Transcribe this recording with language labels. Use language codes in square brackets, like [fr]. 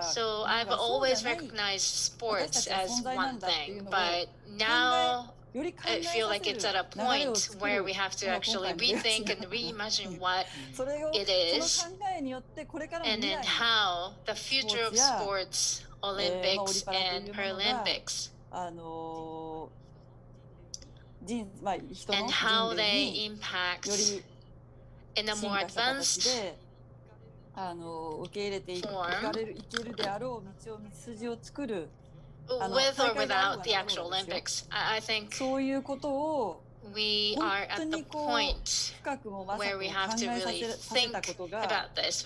[en] So I've always recognized sports as one thing, but now I feel like it's at a point where we have to actually rethink and reimagine what it is, and then how the future of sports, Olympics and Paralympics, and how they impact in a more advanced. [ja] 受け入れていけるであろう道を筋を作る。 [en] With or without the actual Olympics, I think [ja] そういうことを [en] we are at the point where we have to really think about this.